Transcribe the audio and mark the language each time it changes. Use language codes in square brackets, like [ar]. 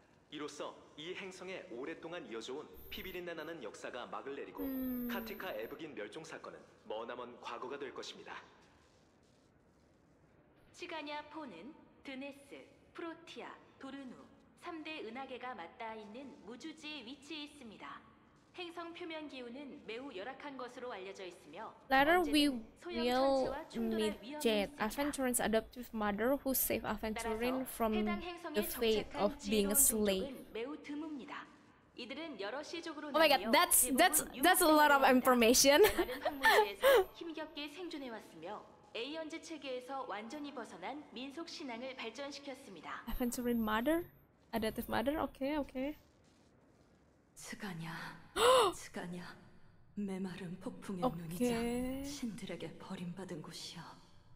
[ko] 이로써 이 행성에 오랫동안 이어져온 피비린내 나는 역사가 막을 내리고 카티카 에브긴 멸종 사건은 머나먼 과거가 될 것입니다. 치가냐 포는 드네스, 프로티아, 도르누 3대 은하계가 맞닿아 있는 무주지에 위치해 있습니다. 행성 표면 기후는 매우 열악한 것으로 알려져 있으며 [en] Later we will meet Jade, Aventurin's adoptive mother who saved Aventurin from the fate of being a slave. Oh my god, that's a lot of information. [ko] 힘겹게 생존해 왔으며 에이언즈 체계에서 완전히 벗어난 민속 신앙을 발전시켰습니다. [en] Aventurin mother? Adaptive mother, okay. [ko] 스가냐, 스가냐, 메마른 폭풍의 눈이자 신들에게 버림받은 곳이야.